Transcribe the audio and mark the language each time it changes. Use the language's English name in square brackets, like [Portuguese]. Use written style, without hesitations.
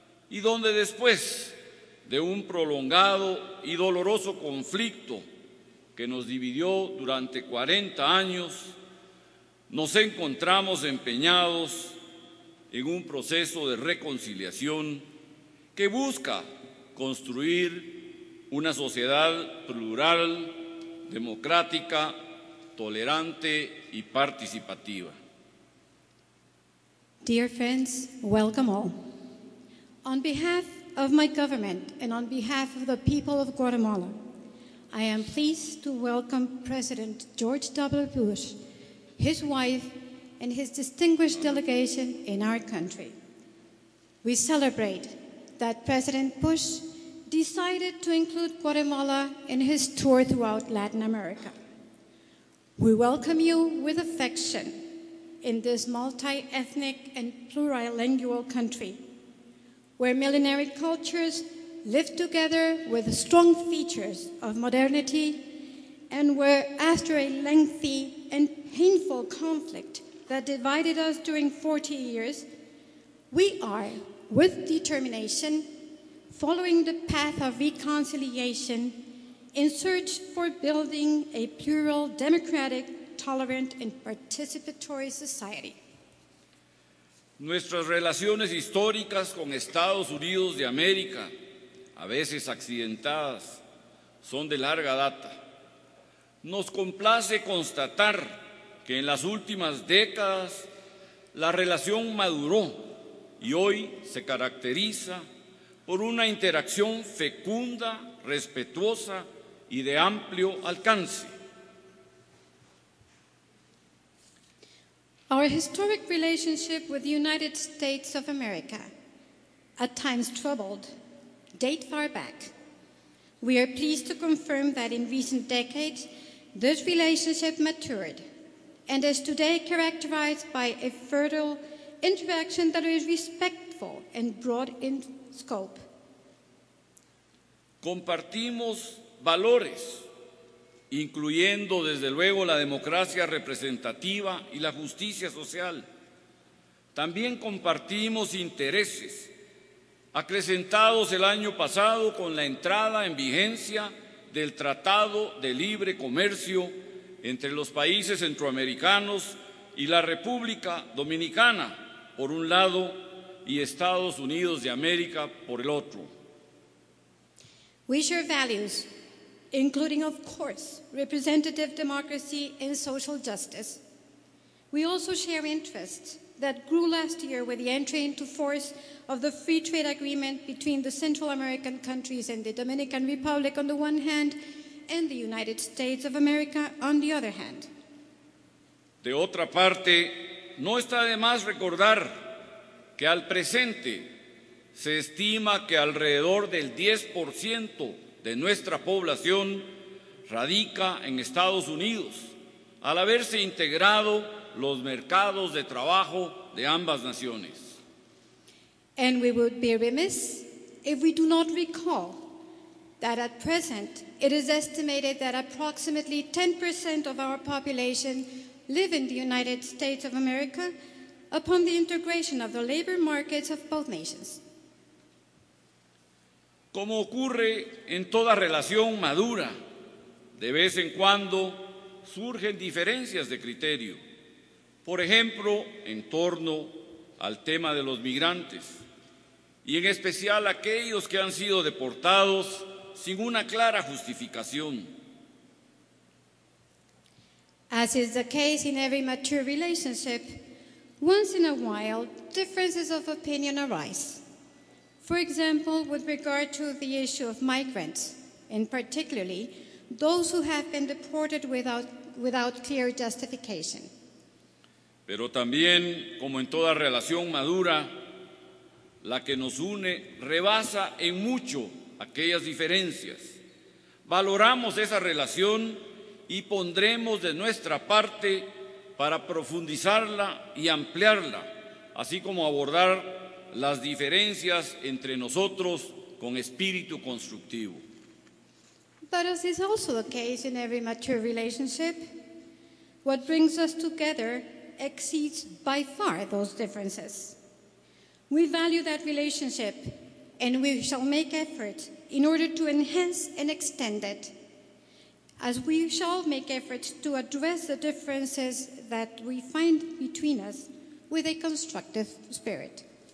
[Spanish] y donde después de un prolongado y doloroso conflicto que nos dividió durante 40 años, nos encontramos empeñados en un proceso de reconciliación que busca construir una sociedad plural, democrática, tolerante y participativa. [English] Dear friends, welcome all. On behalf of my government and on behalf of the people of Guatemala, I am pleased to welcome President George W. Bush, his wife, and his distinguished delegation in our country. We celebrate that President Bush decided to include Guatemala in his tour throughout Latin America. We welcome you with affection in this multi-ethnic and plurilingual country, where millenary cultures live together with strong features of modernity, and where, after a lengthy and painful conflict that divided us during 40 years, we are, with determination, following the path of reconciliation in search for building a plural, democratic, tolerant, and participatory society. [Spanish] Nuestras relaciones históricas con Estados Unidos de América, a veces accidentadas, son de larga data. Nos complace constatar que en las últimas décadas la relación maduró y hoy se caracteriza por una interacción fecunda, respetuosa y de amplio alcance. [English] Our historic relationship with the United States of America, at times troubled, date far back. We are pleased to confirm that in recent decades, this relationship matured and is today characterized by a fertile interaction that is respectful and broad in scope. [Spanish] Compartimos valores, incluyendo desde luego la democracia representativa y la justicia social. También compartimos intereses, acrecentados el año pasado con la entrada en vigencia del Tratado de Libre Comercio entre los países centroamericanos y la República Dominicana, por un lado, y Estados Unidos de América, por el otro. [English] We share values, including, of course, representative democracy and social justice. We also share interests that grew last year with the entry into force of the free trade agreement between the Central American countries and the Dominican Republic on the one hand, and the United States of America on the other hand. [Spanish] De otra parte, no está de más recordar que al presente se estima que alrededor del 10% de nuestra población radica en Estados Unidos, al haberse integrado los mercados de trabajo de ambas naciones. [English] And we would be remiss if we do not recall that at present it is estimated that approximately 10% of our population live in the United States of America upon the integration of the labor markets of both nations. [Spanish] Como ocurre en toda relación madura, de vez en cuando surgen diferencias de criterio. Por ejemplo, en torno al tema de los migrantes, y en especial aquellos que han sido deportados sin una clara justificación. [English] As is the case in every mature relationship, once in a while, differences of opinion arise. For example, with regard to the issue of migrants, in particularly those who have been deported without clear justification. [Spanish] Pero también, como en toda relación madura, la que nos une rebasa en mucho aquellas diferencias. Valoramos esa relación y pondremos de nuestra parte para profundizarla y ampliarla, así como abordar las diferencias entre nosotros con espíritu constructivo. [English] But as is also the case in every mature relationship, what brings us together exceeds by far those differences. We value that relationship, and we shall make effort in order to enhance and extend it, as we shall make efforts to address the differences that we find between us with a constructive spirit.